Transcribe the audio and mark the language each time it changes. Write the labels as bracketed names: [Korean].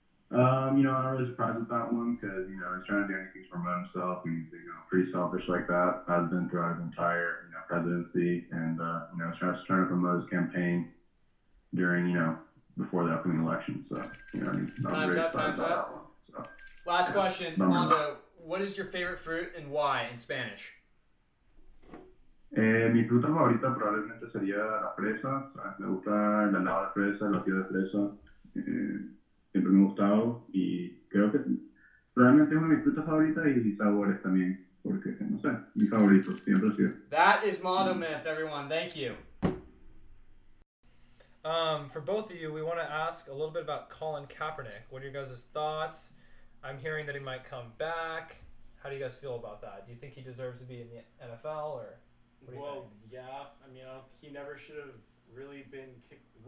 [English] You know, I'm not really surprised with that one, because, you know, he's trying to do anything to promote himself, and he's, you know, pretty selfish like that, has been throughout his entire, you know, presidency, and, you know, trying to promote his campaign during, you know, before the upcoming election, so, you know, he's not time's very up, time's about up. That one, so. Last question, Mondo, what is your favorite fruit and why in Spanish? [Spanish] Mi fruta favorita probablemente sería la fresa, me gusta la nava de fresa, la piel de fresa, siempre me ha gustado, y creo que realmente es una de mis frutas favoritas y sabores también, porque, no sé, mi favorito, siempre ha sido. [English] That is Mondo Minutes, everyone, thank you. For both of you, we want to ask a little bit about Colin Kaepernick. What are your guys' thoughts? I'm hearing that he might come back. How do you guys feel about that? Do you think he deserves to be in the NFL, or what do you think? Yeah. I mean, he never should have really been kicked.